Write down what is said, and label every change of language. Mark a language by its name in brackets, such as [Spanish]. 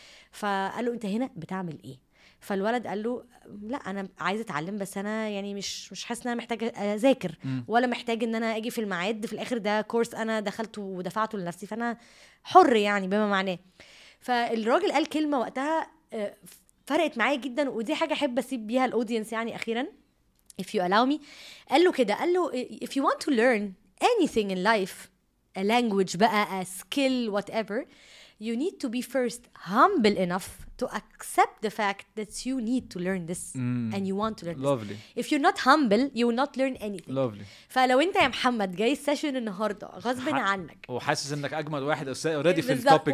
[Arabic] فقال له انت هنا بتعمل ايه؟ فالولد قال له لا انا عايز اتعلم, بس انا يعني مش حاسس ان انا محتاج اذاكر ولا محتاج ان انا اجي في الميعاد, في الاخر ده كورس انا دخلته ودفعته لنفسي, فانا حر يعني بما معناه. فالراجل قال كلمه وقتها فرقت معايا جدا, ودي حاجه احب اسيب بيها الاودينس يعني اخيرا, [English] if you allow me. [Arabic] قال له كده, قال له [English] if you want to learn anything in life, a language بقى, a skill, whatever, you need to be first humble enough to accept the fact that you need to learn this and you want to learn lovely. this. If you're not humble, you will not learn anything. Lovely. [Arabic] فلو انت يا محمد جاي السيشن النهارده غصب عنك وحاسس انك اجمد واحد اوريدي في التوبيك ده